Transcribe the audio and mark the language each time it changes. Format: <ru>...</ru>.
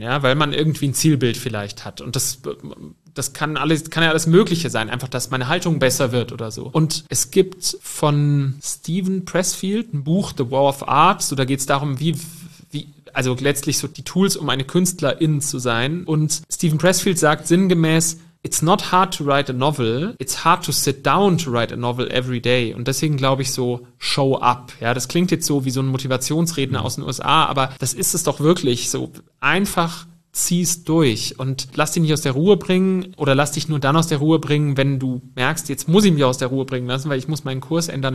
<de>Ja, weil man irgendwie ein Zielbild vielleicht hat. Und das kann ja alles Mögliche sein. Einfach, dass meine Haltung besser wird oder so. Und es gibt von Stephen Pressfield ein Buch, The War of Art. So, da geht es darum, also letztlich so die Tools, um eine Künstlerin zu sein. Und Stephen Pressfield sagt sinngemäß,</de> <en>it's not hard to write a novel, it's hard to sit down to write a novel every day.</en> <de>Und deswegen glaube ich so,</de> <en>show up.</en> <de>Ja, das klingt jetzt so wie so ein Motivationsredner aus den USA, aber das ist es doch wirklich so. Einfach zieh's durch und lass dich nicht aus der Ruhe bringen oder lass dich nur dann aus der Ruhe bringen, wenn du merkst, jetzt muss ich mich aus der Ruhe bringen lassen, weil ich muss meinen Kurs ändern.</de>